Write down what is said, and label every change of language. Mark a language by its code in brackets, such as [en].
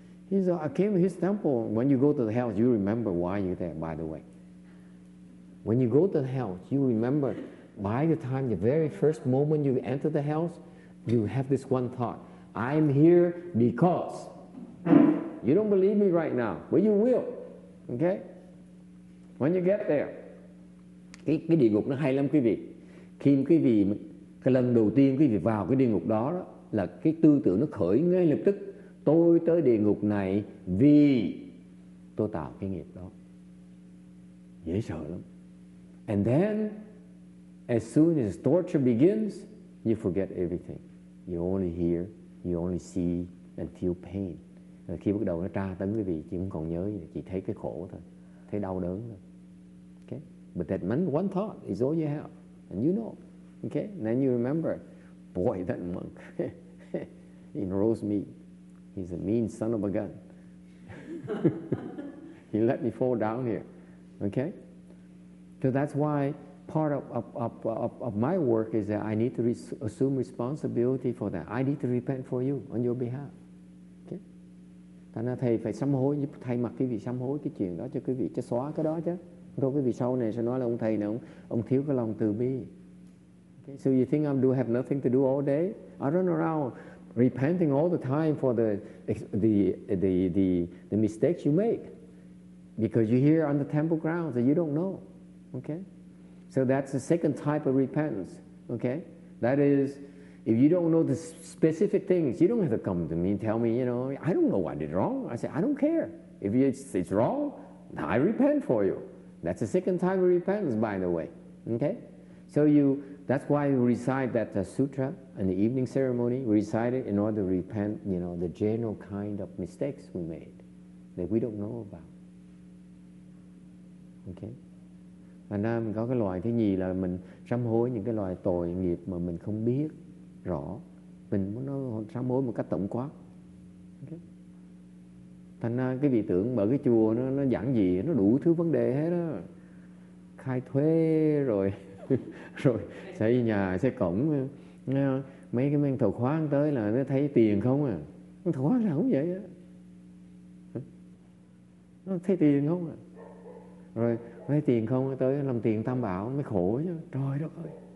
[en] He's, I came to his temple. When you go to the hell, you remember why you're there, by the way. When you go to the hell, you remember. By the time, the very first moment you enter the house, you have this one thought. I'm here because. You don't believe me right now, but you will. Okay? When you get there. [vi] Cái địa ngục nó hay lắm quý vị. Khi quý vị cái lần đầu tiên quý vị vào cái địa ngục đó, đó là cái tư tưởng nó khởi ngay lập tức, tôi tới địa ngục này vì tôi tạo cái nghiệp đó. Dễ sợ lắm. [en] And then as soon as torture begins, you forget everything. You only hear, you only see and feel pain. [vi] Rồi khi bắt đầu nó tra tấn quý vị, chỉ không còn nhớ gì, chỉ thấy cái khổ thôi, thấy đau đớn thôi. [en] Okay? But that one thought is all you have. And you know. Okay? And then you remember, boy, that monk enrolls me. He's a mean son of a gun. He let me fall down here. Okay? So that's why part of my work is that I need to assume responsibility for that. I need to repent for you on your behalf. [vi] Thành ra thầy phải sám hối, thay mặt quý vị sám hối cái chuyện đó cho quý vị, cho xóa cái đó chứ. Rồi quý vị sau này sẽ nói là ông thầy này, ông thiếu cái lòng từ bi. [en] Okay. So you think I do have nothing to do all day? I run around repenting all the time for the mistakes you make. Because you're here on the temple grounds and you don't know. Okay? So that's the second type of repentance. Okay? That is, if you don't know the specific things, you don't have to come to me and tell me, you know, I don't know what I did wrong. I say, I don't care. If it's wrong, I repent for you. That's the second time of repentance, by the way. Okay? So that's why we recite that sutra in the evening ceremony. We recite it in order to repent, you know, the general kind of mistakes we made that we don't know about. Okay? [vi] Và nên mình có cái loại thứ nhì là mình sám hối những cái loại tội nghiệp mà mình không biết rõ, mình muốn nó sám hối một cách tổng quát. Okay. Thành ra cái vị tưởng mở cái chùa nó giảng gì, nó đủ thứ vấn đề hết đó, khai thuế rồi rồi xây nhà xây cổng, mấy cái men thầu khoáng tới là nó thấy tiền không à, thầu khoáng là không vậy á, nó thấy tiền không à, rồi thấy tiền không tới làm tiền tam bảo mới khổ chứ, trời đất ơi.